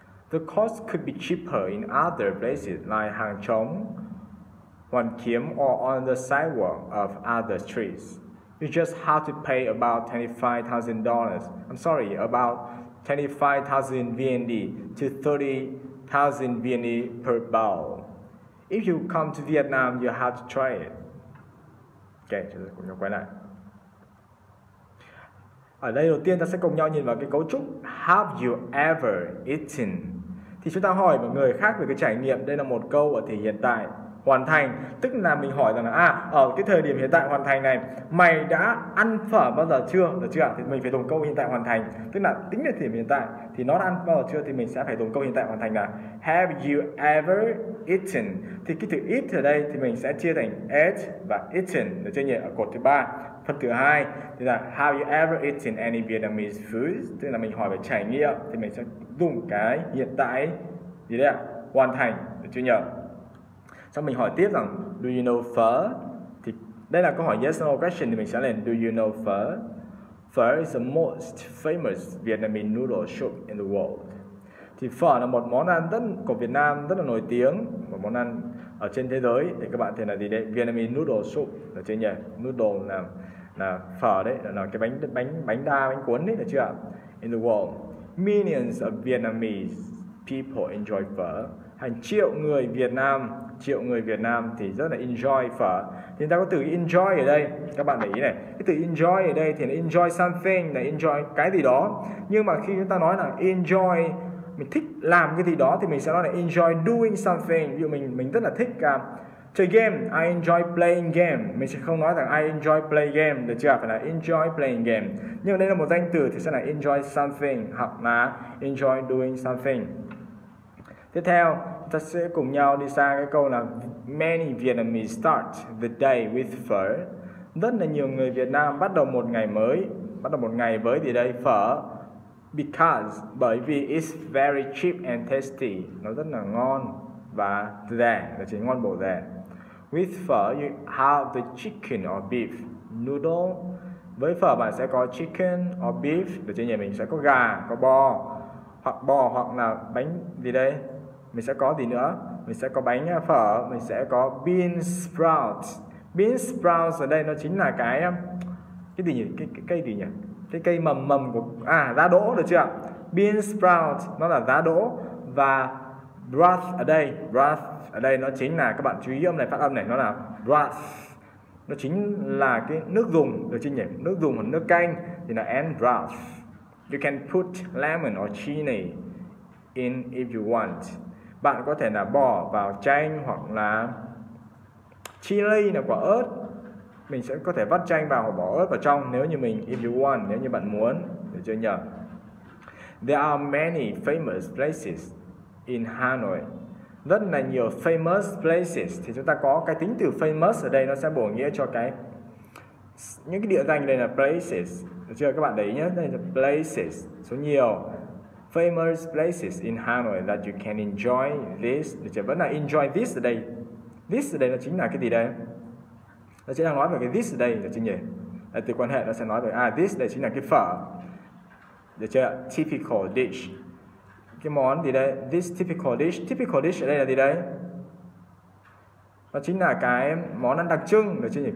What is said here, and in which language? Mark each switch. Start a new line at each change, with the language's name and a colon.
English: The cost could be cheaper in other places like Hang Chung, Hoan Kiem, or on the sidewalk of other streets. You just have to pay about about 25,000 VND to 30,000 VND per bowl. If you come to Vietnam, you have to try it.
Vietnamese: Ok, chúng ta cùng nhau quay lại. Ở đây đầu tiên ta sẽ cùng nhau nhìn vào cái cấu trúc
English: Have you ever eaten?
Vietnamese: Thì chúng ta hỏi một người khác về cái trải nghiệm. Đây là một câu ở thể hiện tại hoàn thành. Tức là mình hỏi rằng là ở cái thời điểm hiện tại hoàn thành này, mày đã ăn phở bao giờ chưa? Được chưa ạ? Thì mình phải dùng câu hiện tại hoàn thành. Tức là tính đến thời điểm hiện tại thì nó đã ăn bao giờ chưa, thì mình sẽ phải dùng câu hiện tại hoàn thành là
English: Have you ever eaten?
Vietnamese: Thì cái từ eat ở đây thì mình sẽ chia thành ate và eaten, được chưa nhỉ? Ở cột thứ ba. Phần thứ hai thì là
English: Have you ever eaten any Vietnamese food?
Vietnamese: Tức là mình hỏi về trải nghiệm, thì mình sẽ dùng cái hiện tại gì đấy ạ? Hoàn thành, được chưa nhỉ? Xong mình hỏi tiếp rằng
English: Do you know phở?
Vietnamese: Thì đây là câu hỏi
English: yes or no question,
Vietnamese: thì mình sẽ lên
English: Do you know phở? Phở is the most famous Vietnamese noodle soup in the world.
Vietnamese: Thì phở là một món ăn rất của Việt Nam, rất là nổi tiếng, một món ăn ở trên thế giới. Thì các bạn thấy là gì đấy?
English: Vietnamese noodle soup,
Vietnamese: là chưa nhỉ? Noodle là phở đấy, là cái bánh bánh bánh đa, bánh cuốn đấy, là chưa ạ?
English: In the world, millions of Vietnamese people enjoy phở.
Vietnamese: Hàng triệu người Việt Nam thì rất là enjoy phở. Thì ta có từ enjoy ở đây, các bạn để ý này, cái từ enjoy ở đây thì là
English: enjoy something,
Vietnamese: là enjoy cái gì đó. Nhưng mà khi chúng ta nói là enjoy, mình thích làm cái gì đó, thì mình sẽ nói là
English: enjoy doing something.
Vietnamese: Ví dụ mình rất là thích chơi game,
English: I enjoy playing game.
Vietnamese: Mình sẽ không nói rằng
English: I enjoy play game,
Vietnamese: được chưa? Phải là
English: enjoy playing game.
Vietnamese: Nhưng đây là một danh từ thì sẽ là
English: enjoy something
Vietnamese: hoặc là
English: enjoy doing something.
Vietnamese: Tiếp theo, ta sẽ cùng nhau đi sang cái câu là
English: Many Vietnamese start the day with phở.
Vietnamese: Rất là nhiều người Việt Nam bắt đầu một ngày mới, bắt đầu một ngày với gì đây? Phở.
English: Because,
Vietnamese: bởi vì
English: it's very cheap and tasty.
Vietnamese: Nó rất là ngon và rẻ, là chỉ ngon bổ rẻ.
English: With phở, you have the chicken or beef noodle.
Vietnamese: Với phở, bạn sẽ có
English: chicken or beef.
Vietnamese: Để chỉ nhà mình sẽ có gà, có bò, hoặc bò hoặc là bánh gì đây, mình sẽ có gì nữa, mình sẽ có bánh phở, mình sẽ có
English: bean sprout.
Vietnamese: Bean sprout ở đây nó chính là cái gì nhỉ, cái cây gì nhỉ, cái cây mầm mầm của giá đỗ, được chưa? Bean sprout nó là giá đỗ. Và broth ở đây nó chính là, các bạn chú ý âm này, phát âm này, nó là broth, nó chính là cái nước dùng, được chưa nhỉ? Nước dùng hoặc nước canh.
English: in the end draft. You can put lemon or chili in if you want.
Vietnamese: Bạn có thể là bỏ vào chanh hoặc là chili, là quả ớt. Mình sẽ có thể vắt chanh vào hoặc bỏ ớt vào trong nếu như mình,
English: if you want,
Vietnamese: nếu như bạn muốn. Được chưa nhỉ?
English: There are many famous places in Hanoi.
Vietnamese: Rất là nhiều
English: famous places.
Vietnamese: Thì chúng ta có cái tính từ famous ở đây, nó sẽ bổ nghĩa cho cái những cái địa danh đây là places. Được chưa? Các bạn để ý nhé. Đây là places. Số nhiều
English: famous places in Hanoi that you can enjoy this.
Vietnamese: Được chưa? Vẫn là enjoy this ở đây. This ở đây nó chính là cái gì đây? Nó chỉ đang nói về cái this ở đây. Được chưa nhỉ? Là từ quan hệ nó sẽ nói về this đây chính là cái phở. Được chưa? Typical dish. Cái món gì đây?
English: This typical dish.
Vietnamese: Typical dish ở đây là gì đây? Nó chính là cái món ăn đặc trưng. Được chưa nhỉ?